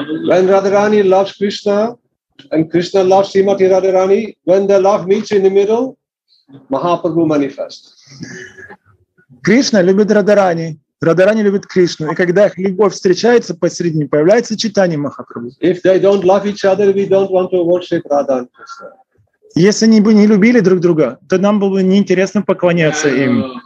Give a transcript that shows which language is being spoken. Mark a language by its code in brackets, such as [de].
[en] When Radharani loves Krishna and Krishna loves Shrimati Radharani, when the love meets in the middle, Mahaprabhu manifests. [ru] Krishna любит Радхарани, Радхарани любит Кришну, и когда их любовь встречается посередине, появляется читание Махапрабху. [en] If they don't love each other, we don't want to worship Radha and Krishna. [ru] Если они бы не любили друг друга, то нам было бы неинтересно поклоняться им.